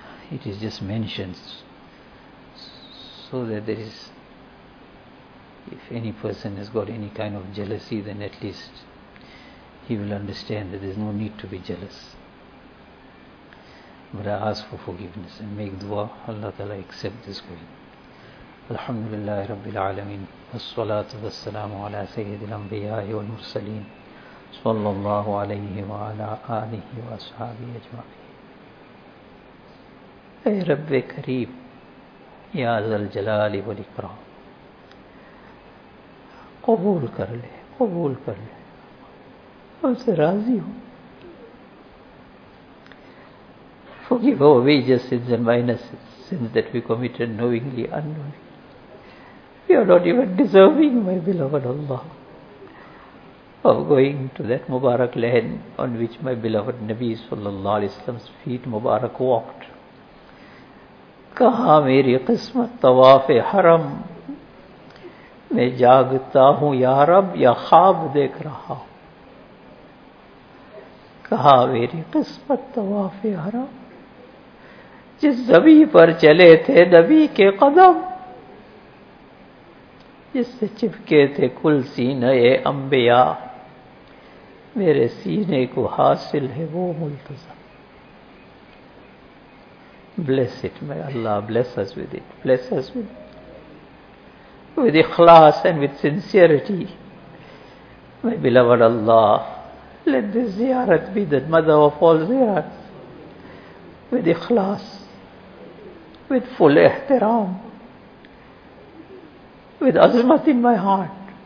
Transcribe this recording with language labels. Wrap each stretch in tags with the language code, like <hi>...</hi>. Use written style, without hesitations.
<en>It is just mentioned so that there is, if any person has got any kind of jealousy, then at least he will understand that there is no need to be jealous. But I ask for forgiveness and make dua, Allah Ta'ala accept this going.</en> <ar>الحمد لله رب العالمين والصلاة والسلام على سيد الأنبياء والمرسلين صلى الله عليه وعلى آله وأصحابه أجمعين.</ar> <ur>اے رب کریم، یا ذا الجلال والاکرام، قبول کر لے، قبول کر لے، ہم سے راضی ہوں.</ur> <en>Forgive our major sins and minor sins, sins that we committed knowingly, unknowingly. You are not even deserving, my beloved Allah, of going to that Mubarak land on which my beloved Nabi sallallahu alayhi wa sallam's feet Mubarak walked.</en> <ur>کہاں میری قسمت طواف حرم میں جاگتا ہوں یا رب یا خواب دیکھ رہا ہوں. کہاں میری قسمت طواف حرم جس زمین پر چلے تھے نبی کے قدم، جس سے چپکے تھے کل سینے انبیاء، میرے سینے کو حاصل ہے وہ ملتزم.</ur> <en>Bless it, may Allah bless us with it. Bless us with ikhlas and with sincerity. My beloved Allah, let this ziyarat be the mother of all ziyarats. With ikhlas, with full ihtiram, with azmat in my heart,</en>